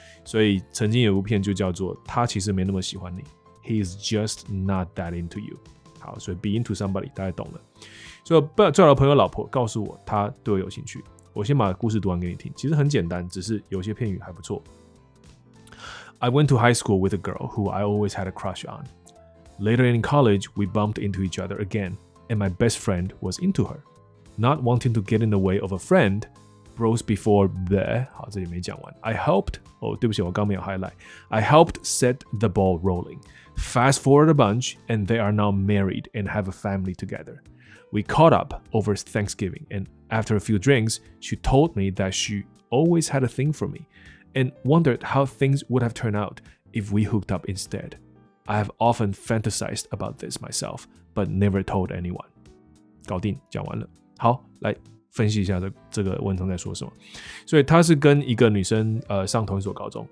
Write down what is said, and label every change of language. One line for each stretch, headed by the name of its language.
Chinese: 所以曾经有部片就叫做《他其实没那么喜欢你》，
English: He's just not that into you。
Chinese: 好，所以 be into somebody 大家懂了。所以最好的朋友老婆告诉我，他对我有兴趣。我先把故事读完给你听，其实很简单，只是有些片语还不错。
English: I went to high school with a girl who I always had a crush on. Later in college, we bumped into each other again, and my best friend was into her. Not wanting to get in the way of a friend, bros before bleh,
Chinese: 好，这里没讲完。
English: I helped,
Chinese: 对不起，我刚没有 highlight.
English: I helped set the ball rolling. Fast forward a bunch, and they are now married and have a family together. We caught up over Thanksgiving, and after a few drinks, she told me that she always had a thing for me. And wondered how things would have turned out if we hooked up instead. I have often fantasized about this myself, but never told anyone.
Chinese: 搞定，讲完了。好，来分析一下这个文章在说什么。所以他是跟一个女生上同一所高中。